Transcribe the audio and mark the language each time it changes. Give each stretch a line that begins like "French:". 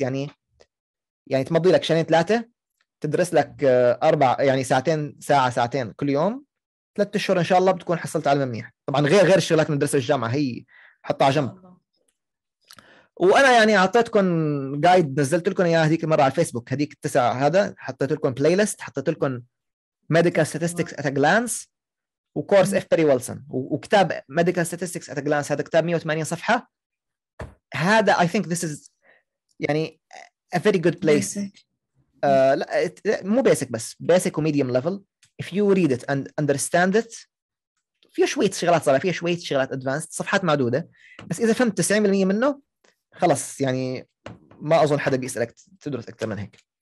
Arabic: يعني تمضي لك شنين ثلاثه تدرس لك اربع يعني ساعتين ساعه ساعتين كل يوم ثلاثة اشهر ان شاء الله بتكون حصلت علم منيح. طبعا غير الشغلات من درس الجامعه هي حطها جنب. وانا يعني اعطيتكم جايد نزلت لكم اياه هذيك المره على الفيسبوك هذيك التسعه, هذا حطيت لكم بلاي ليست, حطيت لكم Medical Statistics at a Glance وكورس F. Perry Wilson وكتاب Medical Statistics at a Glance. هذا كتاب 180 صفحة. هذا
English: I think this is يعني a very good place.
Arabic: لا, مو basic, بس basic و medium level.
English: If you read it and understand it,
Arabic: فيه شوية شغلات صغيرة, فيه شوية شغلات advanced, صفحات معدودة, بس إذا فهمت 90% منه خلص يعني ما أظن حدا بيسألك تدرس أكثر من هيك.